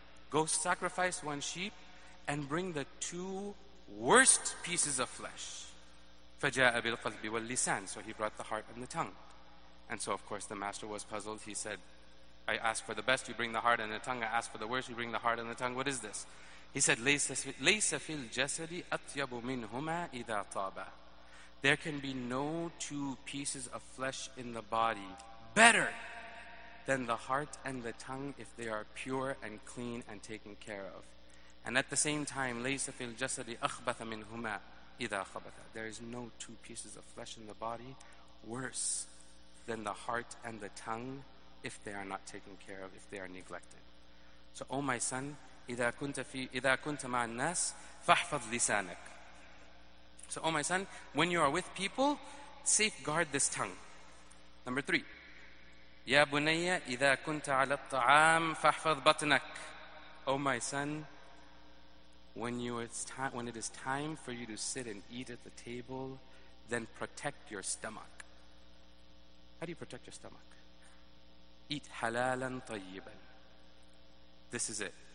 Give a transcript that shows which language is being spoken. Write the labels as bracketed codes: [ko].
[en] Go sacrifice one sheep and bring the two worst pieces of flesh. [ar] فَجَاءَ بِالْقَلْبِ وَاللِّسَانِ, [en] so he brought the heart and the tongue. And so, of course, the master was puzzled. He said, I ask for the best, you bring the heart and the tongue. I ask for the worst, you bring the heart and the tongue. What is this? He said, [ar] لَيْسَ فِي الْجَسَدِ أَطْيَبُ مِنْهُمَا إِذَا طَابَ. [en] There can be no two pieces of flesh in the body better than the heart and the tongue if they are pure and clean and taken care of. And at the same time, [ar] لَيْسَ فِي الْجَسَدِ أَخْبَثَ مِنْهُمَا إِذَا خَبَثَ. [en] There is no two pieces of flesh in the body worse than the heart and the tongue if they are not taken care of, if they are neglected. So, oh my son, [ar] إذا كنت مع الناس فاحفظ لسانك. [en] So, oh my son, when you are with people, safeguard this tongue. Number three, [ar] يا بني إذا كنت على الطعام فاحفظ بطنك. [en] Oh my son, when it is time for you to sit and eat at the table, then protect your stomach. How do you protect your stomach? Eat halalan tayyiban. This is it.